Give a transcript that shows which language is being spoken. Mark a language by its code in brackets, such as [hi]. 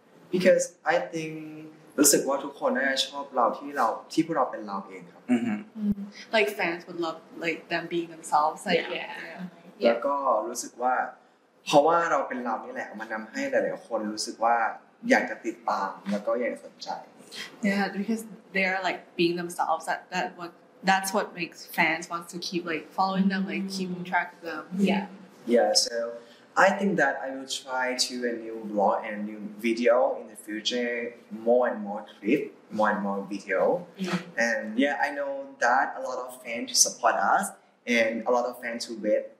[en] because I think [th] รู้สึกว่าทุกคนน่าจะชอบเราที่เราที่พวกเราเป็นเราเองครับ [en] like fans would love like them being themselves like yeah [th] แล้วก็รู้สึกว่าเพราะว่าเราเป็นเรานี่แหละมันทำให้หลายๆคนรู้สึกว่าอยากจะติดตามแล้วก็อยากสนใจ [en] yeah because they are like being themselves that's what makes fans want to keep like following them like keeping track of them yeah so I think that I will try to a new vlog and a new video in the future more and more trip more and more video and yeah I know that a lot of fans support us and a lot of fans who wait.